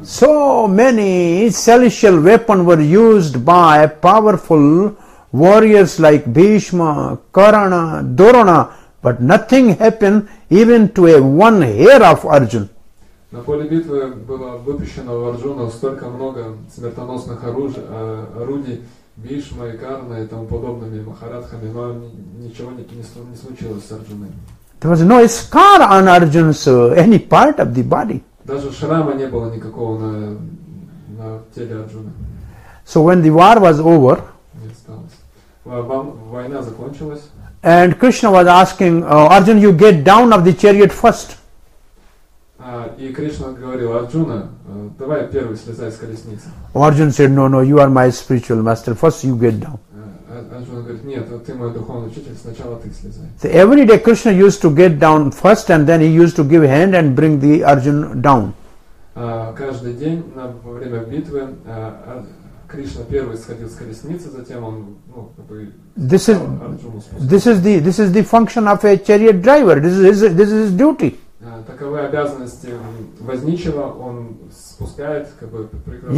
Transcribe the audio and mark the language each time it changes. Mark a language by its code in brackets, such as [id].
[en] So many celestial weapons were used by powerful warriors like Bhishma, Karana, Drona, but nothing happened even to a one hair of Arjun. [ru] На поле битвы было выпущено в Арджуну столько много смертоносных орудий Бхишма и Карана и тому подобными махарадхами, но ничего не случилось с Арджуной. [en] There was no scar on Arjuna's any part of the body. [ru] Даже шрама не было никакого на теле Арджуны. [en] So when the war was over, [ru] война закончилась, [en] and Krishna was asking, Arjuna, you get down of the chariot first. [ru] И Кришна говорил, Арджуна, давай первый слезай с колесницы. [en] Arjuna said, no, you are my spiritual master, first you get down. [ru] Арджуна говорит, нет, ты мой духовный учитель, сначала ты слезай. [en] So every day Krishna used to get down first and then he used to give hand and bring the Arjuna down. [ru] Каждый день во время битвы Кришна первый сходил с колесницы, затем он, Арджуну спускал. [en] This is the function of a chariot driver, this is his duty. [ru] Таковы обязанности возничего, он спускает, как бы, прикрывает.